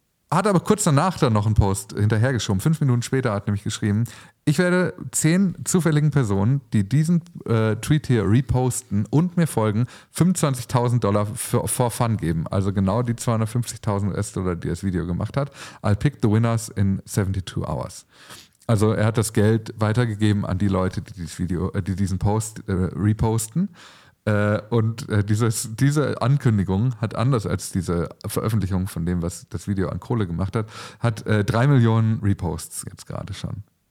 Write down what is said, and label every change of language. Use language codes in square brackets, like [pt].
[de] Hat aber kurz danach dann noch einen Post hinterhergeschoben. 5 Minuten später hat nämlich geschrieben, ich werde 10 zufälligen Personen, die diesen Tweet hier reposten und mir folgen, $25.000 [en] for fun [de] geben. Also genau die 250.000 US-Dollar, die das Video gemacht hat. [en] I'll pick the winners in 72 hours. [de] Also er hat das Geld weitergegeben an die Leute, die dieses Video, die diesen Post reposten. Und diese Ankündigung hat, anders als diese Veröffentlichung von dem, was das Video an Kohle gemacht hat, hat 3 Millionen Reposts jetzt gerade schon.